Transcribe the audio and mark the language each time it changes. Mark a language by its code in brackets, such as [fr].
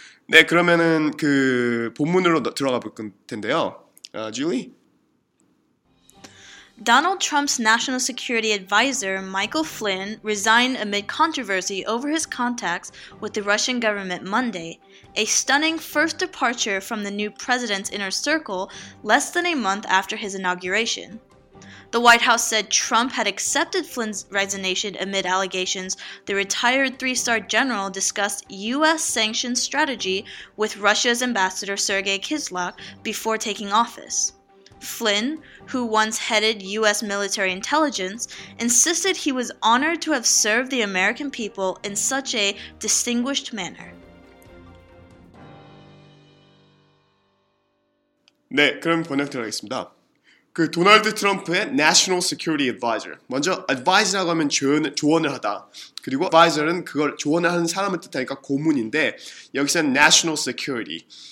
[ko] 네, 그러면은 그 본문으로 들어가 볼 텐데요. [en] Julie. Donald Trump's national security advisor, Michael Flynn, resigned amid controversy over his contacts with the Russian government Monday, a stunning first departure from the new president's inner circle less than a month after his inauguration. The White House said Trump had accepted Flynn's resignation amid allegations the retired three-star general discussed U.S. sanctions strategy with Russia's ambassador Sergei Kislyak before taking office. Flynn, who once headed U.S. military intelligence, insisted he was honored to have served the American people in such a distinguished manner. [ko] 네, 그럼 번역 들어가겠습니다. 그 도널드 트럼프의 National Security Advisor. 먼저 advisor라고 하면 조언을 하다. 그리고 advisor은 그걸 조언을 하는 사람을 뜻하니까 고문인데 여기서는 National Security.